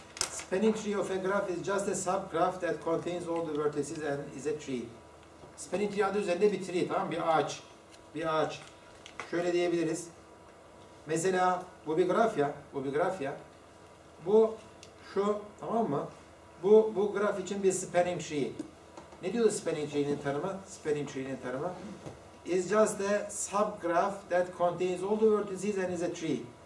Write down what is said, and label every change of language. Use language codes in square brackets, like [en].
[en] Spanning tree of a graph is just a subgraph that contains all the vertices and is a tree. [tr] Spanning tree adı üzerinde bir tree, tamam mı? Bir ağaç. Şöyle diyebiliriz. Mesela bu bir graf ya. Bu şu, tamam mı? Bu graf için bir spanning tree. Ne diyor spanning tree'nin tanımı? [en] Is just a subgraph that contains all the vertices and is a tree.